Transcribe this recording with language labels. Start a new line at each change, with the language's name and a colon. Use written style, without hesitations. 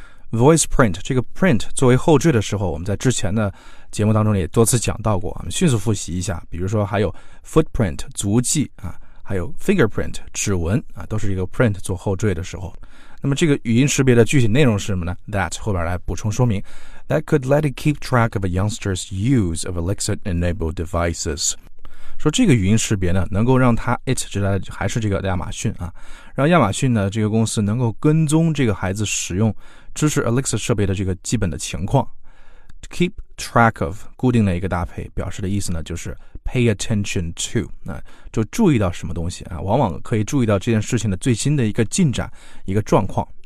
Chinese: Voice print 这个 print 作为后缀的时候，我们在之前的节目当中也多次讲到过，我们迅速复习一下，比如说还有 footprint 足迹啊，还有 fingerprint 指纹啊，都是一个 print 做后缀的时候。那么这个语音识别的具体内容是什么呢 ？That 后边来补充说明。
English: That could let it keep track of a youngster's use of Alexa-enabled devices。
Chinese: 说这个语音识别呢，能够让它 it 指代还是这个亚马逊啊，让亚马逊呢这个公司能够跟踪这个孩子使用支持 Alexa 设备的这个基本的情况。 Keep track of 固定的一个搭配，表示的意思呢就是
English: pay attention to，
Chinese: 那就注意到什么东西啊，往往可以注意到这件事情的最新的一个进展一个状况。